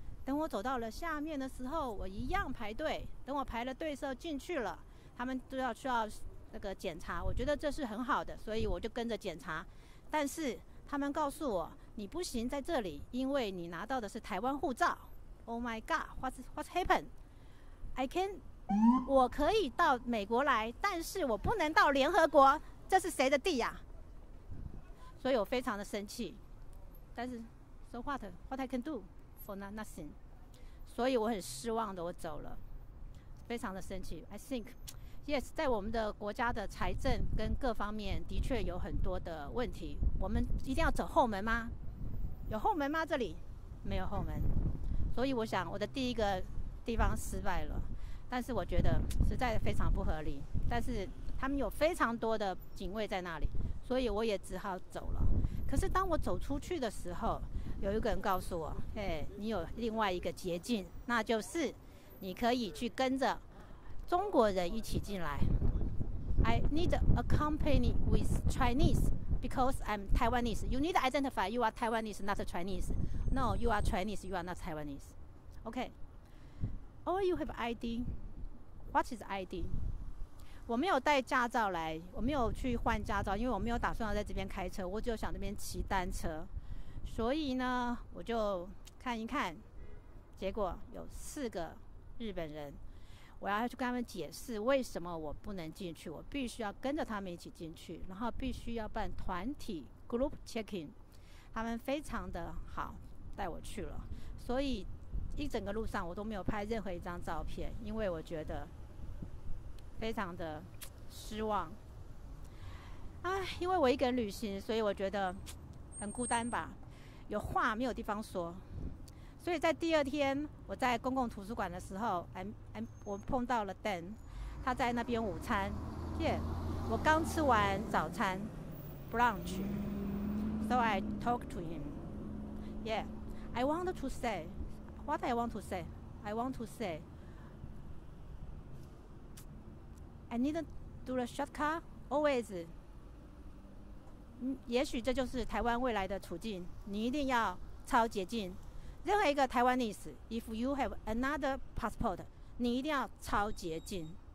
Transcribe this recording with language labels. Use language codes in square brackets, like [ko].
[zh] 等我走到了下面的时候，我一样排队。等我排了队时候进去了，他们都要需要那个检查，我觉得这是很好的，所以我就跟着检查。但是他们告诉我，你不行在这里，因为你拿到的是台湾护照。 [en] Oh my God, what's happened? I can， [zh] 我可以到美国来，但是我不能到联合国，这是谁的地呀？所以我非常的生气。但是 ， [en] so what? What I can do for nothing？ [zh] 所以我很失望的，我走了，非常的生气。 [en] I think。 Yes， [zh] 在我们的国家的财政跟各方面的确有很多的问题。我们一定要走后门吗？有后门吗？这里没有后门，所以我想我的第一个地方失败了。但是我觉得实在非常不合理。但是他们有非常多的警卫在那里，所以我也只好走了。可是当我走出去的时候，有一个人告诉我：“嘿，你有另外一个捷径，那就是你可以去跟着。” 中国人一起进来。 [en] I need a company with Chinese because I'm Taiwanese. You need to identify you are Taiwanese, not Chinese. No, you are Chinese, you are not Taiwanese. Okay. Or you have ID. What is ID? [zh] 我没有带驾照来，我没有去换驾照，因为我没有打算要在这边开车，我就想这边骑单车。所以呢，我就看一看，结果有四个日本人。我要去跟他们解释为什么我不能进去，我必须要跟着他们一起进去，然后必须要办团体 [en] group checking。 [zh] 他们非常的好带我去了，所以一整个路上我都没有拍任何一张照片，因为我觉得非常的失望。唉，因为我一个人旅行，所以我觉得很孤单吧，有话没有地方说。所以在第二天我在公共图书馆的时候，我碰到了 Dan， 他在那边午餐。 Yeah， 我刚吃完早餐 brunch， [en] so I talk to him。 Yeah， I want to say what I want to say， I want to say I need to do a shortcut always。 [zh] 也许这就是台湾未来的处境，你一定要超捷径。任何一个 Taiwanese， [en] if you have another passport， [zh] 你一定要超捷径。